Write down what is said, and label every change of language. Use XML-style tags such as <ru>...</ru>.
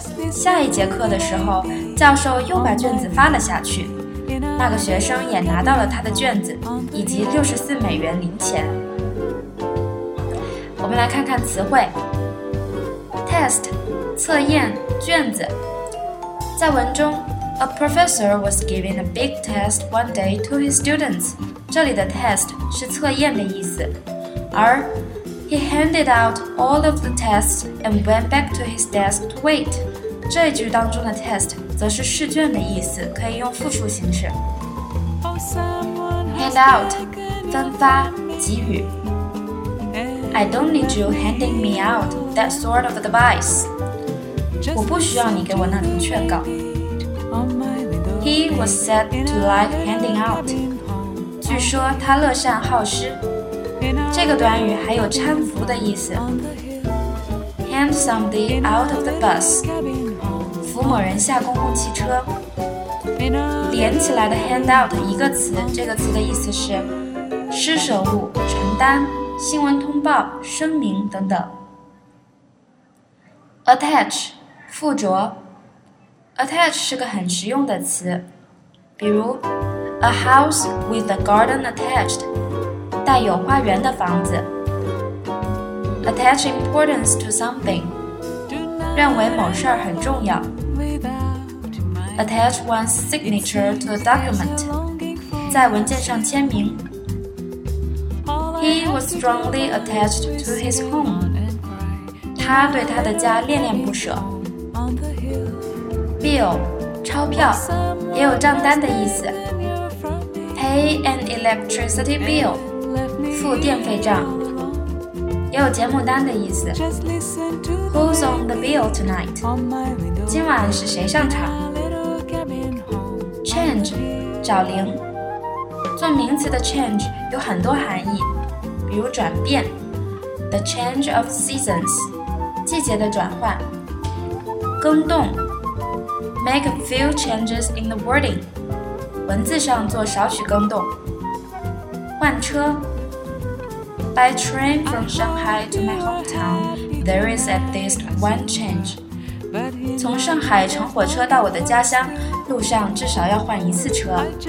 <zh>下一节课的时候，教授又把卷子发了下去，那个学生也拿到了他的卷子以及$64零钱。我们来看看词汇 test 测验卷子。</zh> <en>在文中 a professor was giving a big test one day to his students，这里的 test 是测验的意思，而 He handed out all of the tests and went back to his desk to wait.</en> <zh>这一句当中的 test 则是试卷的意思，可以用复数形式。 Hand out, 分发，给予。</zh> <en>I don't need you handing me out that sort of advice.</en> <zh>我不需要你给我那种劝告。</zh> <en>He was said to like handing out.</en> <zh>据说他乐善好施。这个短语还有搀扶的意思。</zh> <en>Hand somebody out of the bus，扶某人下公共汽车。</en> <zh>连起来的 hand out 一个词，这个词的意思是施舍物、承担、新闻通报、声明等等。 Attach， 附着。 Attach 是个很实用的词，比如 A house with a garden attached。带有花园的房子。</zh> <en>Attach importance to something，认为某事很重要。 Attach one's signature to a document，在文件上签名。 He was strongly attached to his home，他对他的家恋恋不舍。</en> <zh>Bill， 钞票，也有账单的意思。 Pay an electricity bill，付电费账，也有节目单的意思。</zh> <en>Who's on the bill tonight?</en> <zh>今晚是谁上场？Change， 找零。做名词的 change 有很多含义，比如转变 ， the change of seasons，季节的转换；更动 ， make a few changes in the wording，文字上做少许更动；换车。</zh> <en>By train from Shanghai to my hometown, there is at least one change.</en> <zh>从上海乘火车到我的家乡，路上至少要换一次车。</zh>